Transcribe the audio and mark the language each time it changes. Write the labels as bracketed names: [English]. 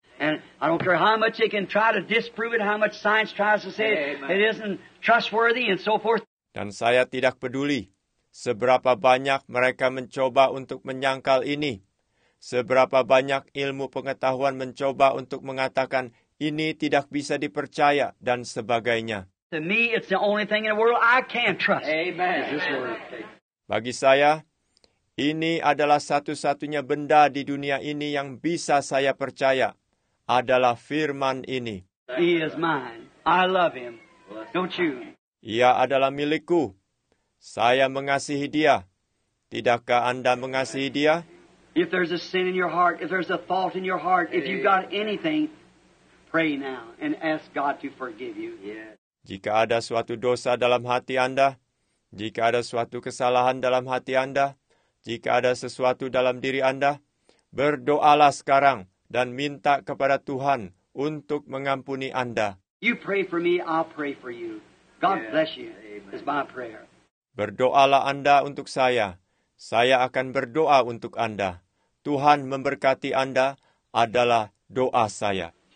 [English] And I don't care how much they can try to disprove it, how much science tries to say it isn't trustworthy and so forth. [Indonesian] Dan saya tidak peduli seberapa banyak mereka mencoba untuk menyangkal ini. Seberapa banyak ilmu pengetahuan mencoba untuk mengatakan ini tidak bisa dipercaya dan sebagainya. [English] To me, it's the only thing in the world I can trust. Amen. Is this word. [Indonesian] Bagi saya, ini adalah satu-satunya benda di dunia ini yang bisa saya percaya. Adalah firman ini. [English] He is mine. I love him. Don't you? [Indonesian] Ia adalah milikku. Saya mengasihi dia. Tidakkah Anda mengasihi dia? [English] If there's a sin in your heart, if there's a fault in your heart, if you've got anything, pray now and ask God to forgive you. Yes. [Indonesian] Jika ada suatu dosa dalam hati Anda, jika ada suatu kesalahan dalam hati Anda, jika ada sesuatu dalam diri Anda, berdoalah sekarang dan minta kepada Tuhan untuk mengampuni Anda. [English] You pray for me, I'll pray for you. God bless you. Is my prayer. [Indonesian] Berdoalah Anda untuk saya. Saya akan berdoa untuk Anda. Tuhan memberkati Anda adalah doa saya.